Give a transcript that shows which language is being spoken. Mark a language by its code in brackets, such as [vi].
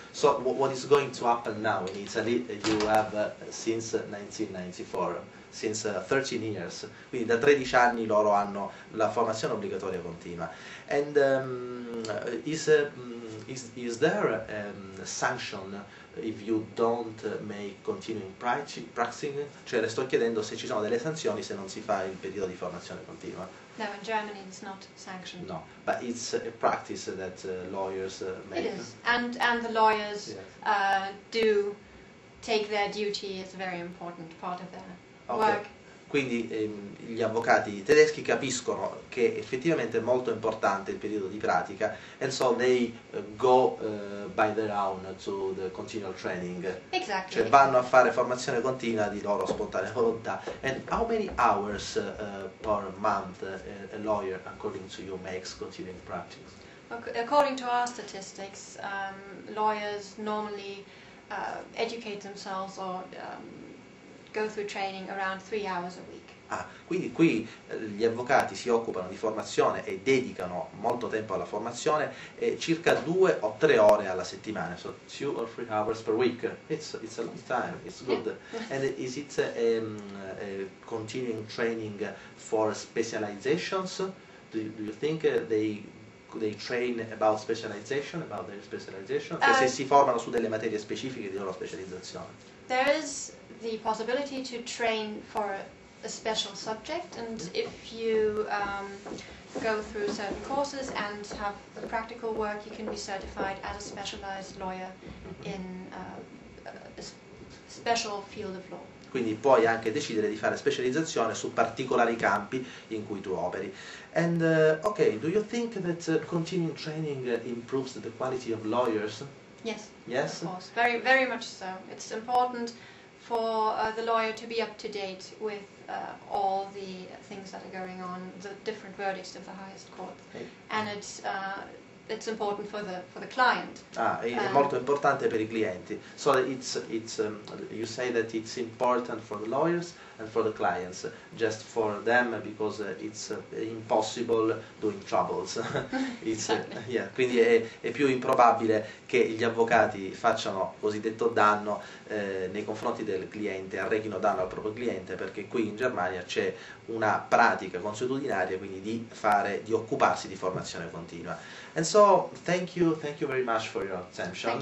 [en] So what is going to happen now in Italy? You have since 1994, since 13 years. [it] Quindi da 13 anni loro hanno la formazione obbligatoria continua. [en] And is there a sanction if you don't make continuing practicing? [it] Cioè le sto chiedendo se ci sono delle sanzioni se non si fa il periodo di formazione continua. [en] No, in Germany it's not sanctioned. No, but it's a practice that lawyers make. It is, and the lawyers yes. Do take their duty as a very important part of their okay. work. [it] Quindi gli avvocati tedeschi capiscono che effettivamente è molto importante il periodo di pratica, [en] and so they go by their own to the continual training. Exactly. [it] Cioè vanno a fare formazione continua di loro spontanea volontà. [en] And how many hours per month a lawyer, according to you, makes continuing practice? According to our statistics, lawyers normally educate themselves or go through training around 3 hours a week. [it] Ah, quindi qui gli avvocati si occupano di formazione e dedicano molto tempo alla formazione circa 2 o 3 ore alla settimana. [en] So 2 or 3 hours per week. It's a long time. It's good. Yeah. And is it a continuing training for specializations? Do you think they train about specialization, about their specialization? [it] Cioè se si formano su delle materie specifiche di loro specializzazione. [en] The possibility to train for a special subject, and if you go through certain courses and have the practical work, you can be certified as a specialized lawyer in a special field of law. [it] Quindi puoi anche decidere di fare specializzazione su particolari campi in cui tu operi. [en] And okay, do you think that continuing training improves the quality of lawyers? Yes. Yes. Of course. Very, very much so. It's important for the lawyer to be up to date with all the things that are going on, the different verdicts of the highest court. Hey. And it's important for the client. [it] Ah, è molto importante per i clienti. [en] So you say that it's important for the lawyers and for the clients, just for them because it's impossible doing troubles. , [it] yeah, quindi è più improbabile che gli avvocati facciano cosiddetto danno nei confronti del cliente, arrechino danno al proprio cliente, perché qui in Germania c'è una pratica consuetudinaria, quindi di occuparsi di formazione continua. [en] And so thank you very much for your attention